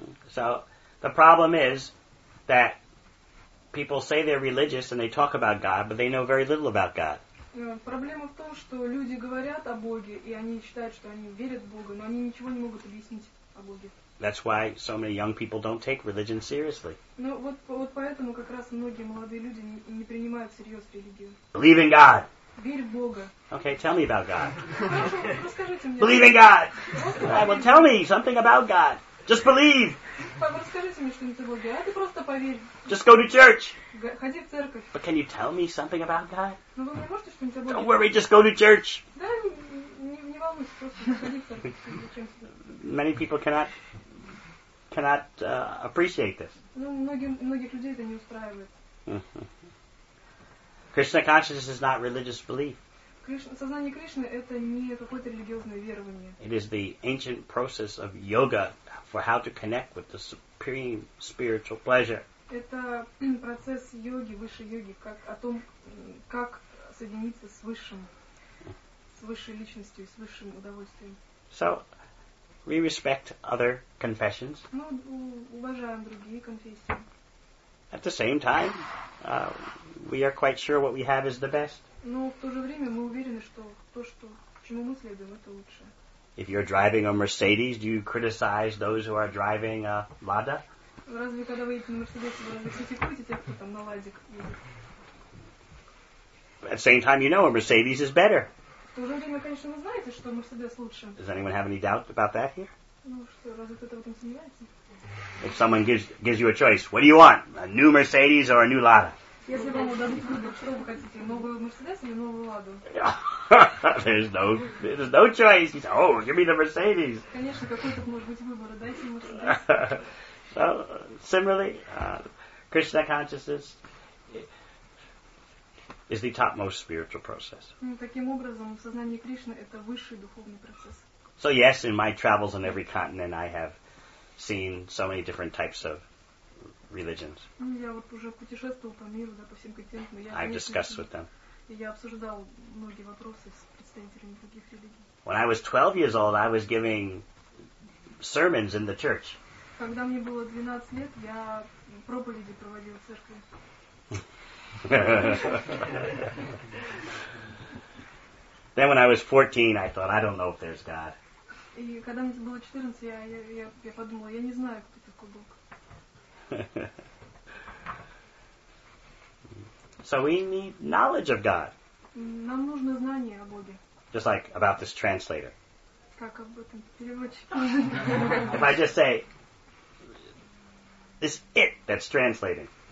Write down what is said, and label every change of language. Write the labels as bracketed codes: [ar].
[en] So, the problem is that people say they're religious and they talk about God, but they know very little about God. [ru] Проблема в том, что люди говорят о Боге, и они считают, что они верят в Бога, но они ничего не могут объяснить о Боге. [en] That's why so many young people don't take religion seriously. [ru] Ну вот, вот поэтому как раз многие молодые люди не принимают всерьез религию. [en] Believe in God. [ru] Верь в Бога. [en] Okay, tell me about God. [ru] Расскажите мне. [en] Believe in God. Well, tell me something about God. Just believe. [ru] Расскажите мне что-нибудь о Боге, а ты просто поверь. [en] Just go to church. [ru] Ходи в церковь. [en] But can you tell me something about God? [ru] Ну вы мне можете что-нибудь о Боге? [en] Don't worry, just go to church. [ru] Да, не волнуйся, просто ходи в церковь. [en] Many people cannot appreciate this. [ru] Ну, многих людей это не устраивает. [en] Krishna consciousness is not religious belief. [ru] Сознание Кришны – это не какое-то религиозное верование. [en] It is the ancient process of yoga for how to connect with the supreme spiritual pleasure. [ru] Это процесс йоги, высшей йоги, как о том, как соединиться с высшим, с высшей личностью, с высшим удовольствием. [en] So, we respect other confessions. [ru] Ну, уважаем другие конфессии. [en] At the same time, we are quite sure what we have is the best. [ru] Но в то же время мы уверены, что то, что, чему мы следуем, это лучше. [en] If you're driving a Mercedes, do you criticize those who are driving a Lada? [ru] Разве когда вы едете на Мерседесе, вы разве критикуете тех, кто там на Ладе едет? [en] At the same time, you know a Mercedes is better. [ru] В то же время, конечно, вы знаете, что Мерседес лучше. [en] Does anyone have any doubt about that here? [ru] Ну что, разве кто-то в этом сомневается? [en] If someone gives you a choice, what do you want? A new Mercedes or a new Lada? [ru] Если вам дадут выбор, что вы хотите, новую Мерседес или новую Ладу? [en] There's no choice. He said, oh, give me the Mercedes. [ru] Конечно, какой тут может быть выбор, дайте Мерседес. [en] So, similarly, Krishna consciousness is the topmost spiritual process. [ru] Таким образом, сознание Кришны – это высший духовный процесс. [en] So, yes, in my travels on every continent, I have seen so many different types of religions. [ru] Я вот уже путешествовал по миру, да, по всем континентам. [en] I've discussed with them. [ru] Я обсуждал многие вопросы с представителями других религий. [en] When I was 12 years old, I was giving sermons in the church. [ru] Когда мне было 12 лет, я проповеди проводил в церкви. [en] Then when I was 14, I thought, I don't know if there's God. [ru] И когда мне было 14, я подумала, я не знаю, кто такой Бог. [en] So we need knowledge of God. [ru] Нам нужно знание о Боге. [en] Just like about this translator. [ru] Как об этом переводчике. [en] If I just say, this it that's translating.